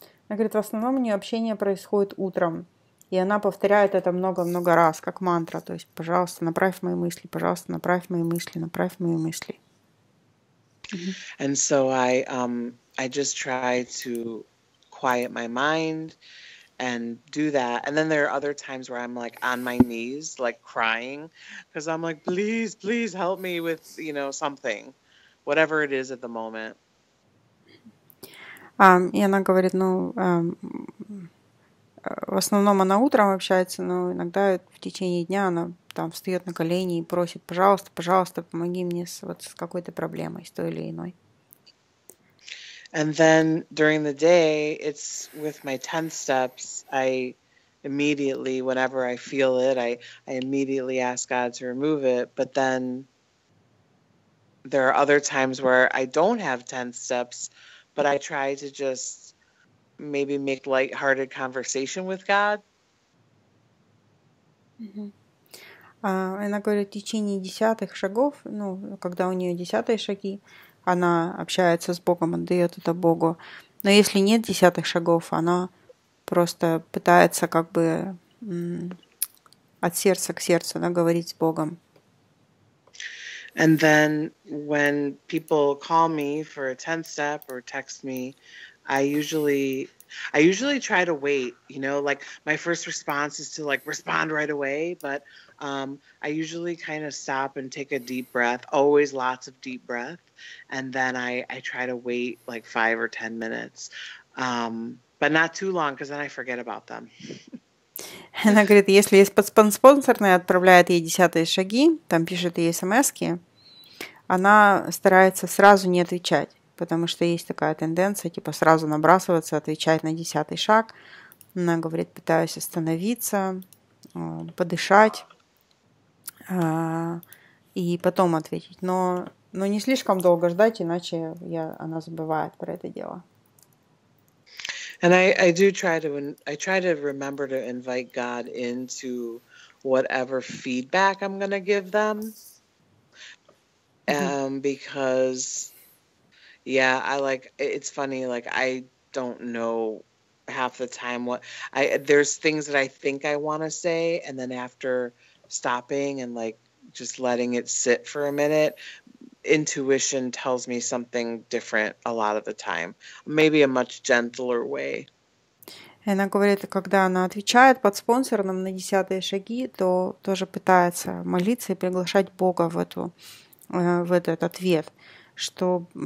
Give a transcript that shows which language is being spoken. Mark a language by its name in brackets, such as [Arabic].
[Russian] Она говорит, в основном у нее общение происходит утром. И она повторяет это много-много раз, как мантра. То есть, пожалуйста, направь мои мысли. Пожалуйста, направь мои мысли. Направь мои мысли. [English] And so I just try to quiet my mind and do that. And then there are other times where I'm like on my knees, like crying, because I'm like, please, please help me with, you know, something, whatever it is at the moment. [Russian] И она говорит, ну, в основном она утром общается, но иногда в течение дня она там встает на колени и просит, пожалуйста, пожалуйста, помоги мне с какой-то проблемой, с той или иной. [English] And then during the day, it's with my 10 steps, I immediately, whenever I feel it, I immediately ask God to remove it. But then there are other times where I don't have 10 steps, but I try to just maybe make lighthearted conversation with God. Mm-hmm. [Russian] Она говорит, в течение 10-х шагов, ну, когда у нее 10-е шаги, она общается с Богом, отдает это Богу. Но если нет 10-х шагов, она просто пытается как бы от сердца к сердцу говорить с Богом. [English] And then when people call me for a 10th step or text me, I usually try to wait, you know, like my first response is to like respond right away, but I usually kind of stop and take a deep breath, always lots of deep breath, and then I try to wait like 5 or 10 minutes, but not too long, because then I forget about them. [Russian] Она говорит, если спонсорная отправляет ей 10-е шаги, там пишет ей смски, она старается сразу не отвечать, потому что есть такая тенденция, типа сразу набрасываться, отвечать на 10-й шаг. Она говорит, пытаюсь остановиться, подышать. И потом ответить, но не слишком долго ждать, иначе она забывает про это дело. [English] And I do try to remember to invite God into whatever feedback I'm gonna give them, because yeah, I like it's funny, like I don't know half the time what I there's things that I think I want to say, and then after stopping and like just letting it sit for a minute, intuition tells me something different a lot of the time, maybe a much gentler way. [Russian] Она говорит, когда она отвечает под спонсором на 10-е шаги, то тоже пытается молиться и приглашать Бога в этот ответ, что